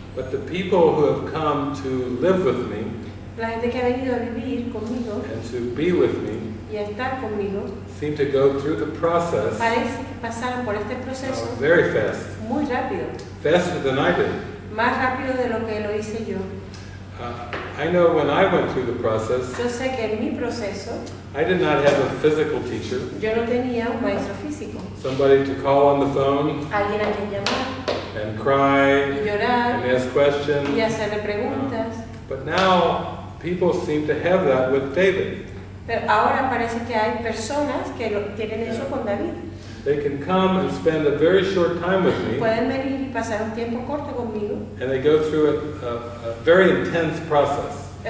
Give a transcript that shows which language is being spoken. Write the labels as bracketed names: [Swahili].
[English] But the people who have come to live with me, [Spanish] la gente que ha venido a vivir conmigo, [English] and to be with me, [Spanish] y a estar conmigo, [English] seem to go through the process, [Spanish] parece que pasaron por este proceso, [English] very fast, [Spanish] muy rápido, [English] faster than I did, [Spanish] más rápido de lo que lo hice yo. [English] I know when I went through the process, [Spanish] yo sé que en mi proceso, [English] I did not have a physical teacher, [Spanish] yo no tenía un maestro físico, [English] somebody to call on the phone, [Spanish] alguien a quien llamar, [English] and cry, [Spanish] llorar, [English] and ask questions. [Spanish] Y hacerle preguntas. [English] But now, people seem to have that with David. [Spanish] Pero ahora parece que hay personas que tienen eso con David. [English] They can come and spend a very short time with me. [Spanish] Pueden venir y pasar un tiempo corto conmigo. [English] And they go through a very intense process.